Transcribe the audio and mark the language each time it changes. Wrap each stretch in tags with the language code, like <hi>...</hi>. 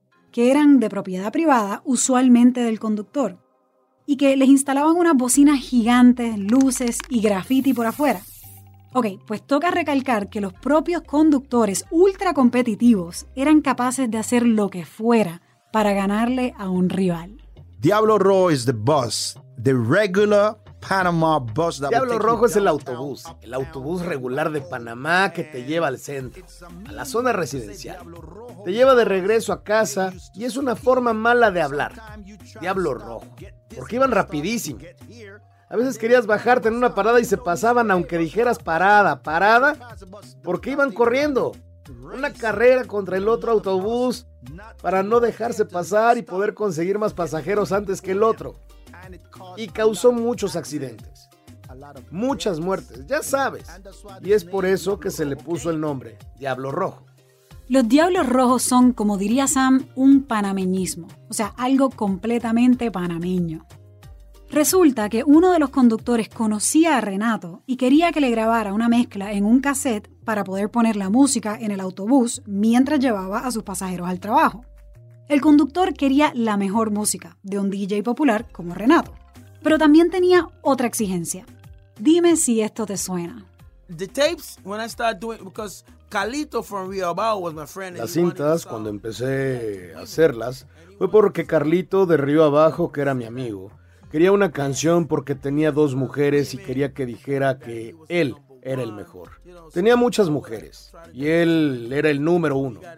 <es>Que eran de propiedad privada, usualmente del conductor. Y que les instalaban unas bocinas gigantes, luces y graffiti por afuera. Ok, pues toca recalcar que los propios conductores ultra competitivos eran capaces de hacer lo que fuera para ganarle a un rival.</es> <en>Diablo Rojo is the bus, the regular Panama bus.</en> <es>Diablo Rojo es el autobús regular de Panamá que te lleva al centro, a la zona residencial. Te lleva de regreso a casa y es una forma mala de hablar. Diablo Rojo, porque iban rapidísimo. A veces querías bajarte en una parada y se pasaban aunque dijeras parada, parada, porque iban corriendo. Una carrera contra el otro autobús para no dejarse pasar y poder conseguir más pasajeros antes que el otro. Y causó muchos accidentes, muchas muertes, ya sabes. Y es por eso que se le puso el nombre Diablo Rojo. Los Diablos Rojos son, como diría Sam, un panameñismo. O sea, algo completamente panameño. Resulta que uno de los conductores conocía a Renato y quería que le grabara una mezcla en un cassette para poder poner la música en el autobús mientras llevaba a sus pasajeros al trabajo. El conductor quería la mejor música de un DJ popular como Renato. Pero también tenía otra exigencia. Dime si esto te suena.</es> <en>The tapes, when I started doing, because Calito from Riobao was my friend.</en> <es>Las cintas, cuando empecé a hacerlas, fue porque Carlito de Río Abajo, que era mi amigo, quería una canción porque tenía dos mujeres y quería que dijera que él era el mejor. Tenía muchas mujeres y él era el número uno.</es>